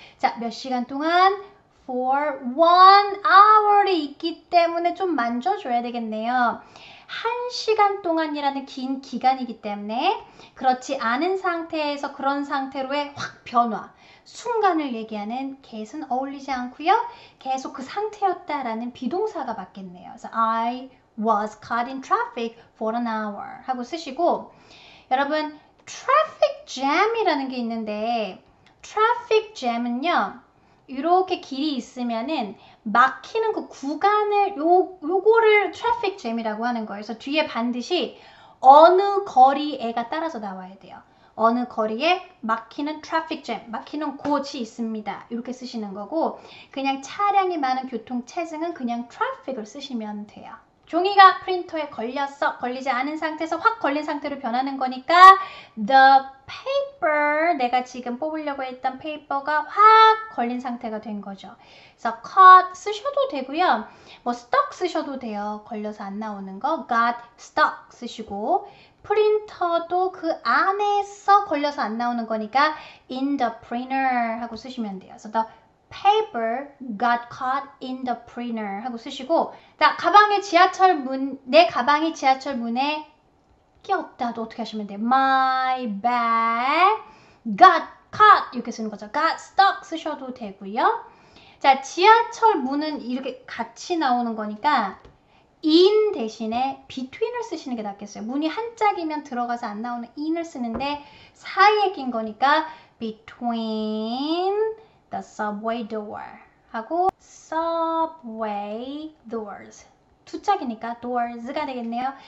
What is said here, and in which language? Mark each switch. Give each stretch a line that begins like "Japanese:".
Korean: 자, 몇 시간 동안? For 1 hour이 있기 때문에 좀 만져줘야 되겠네요. 1시간 동안이라는 긴 기간이기 때문에 그렇지 않은 상태에서 그런 상태로의 확 변화, 순간을 얘기하는 get은 어울리지 않고요. 계속 그 상태였다라는 비동사가 맞겠네요.
English: 그래서 I was caught in traffic for 1 hour
Korean: 하고 쓰시고 여러분,
English: traffic jam이라는 게 있는데 traffic jam은요.
Korean: 이렇게 길이 있으면은 막히는 그 구간을 요거를 트래픽 잼이라고 하는 거예요. 그래서 뒤에 반드시 어느 거리에가 따라서 나와야 돼요. 어느 거리에 막히는 트래픽 잼, 막히는 곳이 있습니다. 이렇게 쓰시는 거고 그냥 차량이 많은 교통 체증은 그냥 트래픽을 쓰시면 돼요. 종이가 프린터에 걸렸어. 걸리지 않은 상태에서 확 걸린 상태로 변하는 거니까 the paper 내가 지금 뽑으려고 했던 페이퍼가 확 걸린 상태가 된 거죠. 그래서 caught 쓰셔도 되고요. 뭐 stuck 쓰셔도 돼요. 걸려서 안 나오는 거 got stuck 쓰시고 프린터도 그 안에서 걸려서 안 나오는 거니까 in the printer 하고 쓰시면 돼요. 그래서
English: the paper got caught in the printer
Korean: 하고 쓰시고 자, 내 가방이 지하철 문에 끼었다도 어떻게 하시면 돼요?
English: My bag got caught
Korean: 이렇게 쓰는 거죠. got stuck 쓰셔도 되고요. 자, 지하철 문은 이렇게 같이 나오는 거니까 in 대신에 between을 쓰시는 게 낫겠어요. 문이 한짝이면 들어가서 안 나오는 in을 쓰는데 사이에 낀 거니까
English: between the subway door
Korean: 하고 subway doors 두 짝이니까 doors가 되겠네요.